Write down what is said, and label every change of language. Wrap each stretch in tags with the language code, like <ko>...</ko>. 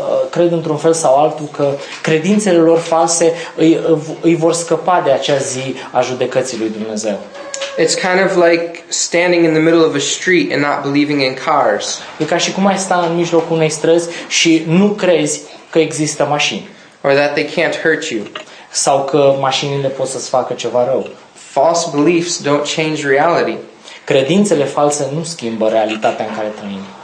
<ro>Cred într-un fel sau altul că credințele lor false îi vor scăpa de acea zi a judecății lui Dumnezeu.</ro> <en>It's kind of like standing in the middle of a street and not believing in cars.</en> <ro>E ca și cum ai sta în mijlocul unei străzi și nu crezi că există mașini.</ro> <en>Or that they can't hurt you.</en> <ro>Sau că mașinile pot să-ți facă ceva rău.</ro> <en>False beliefs don't change reality.</en> <ro>Credințele false nu schimbă realitatea în care trăim.</ro>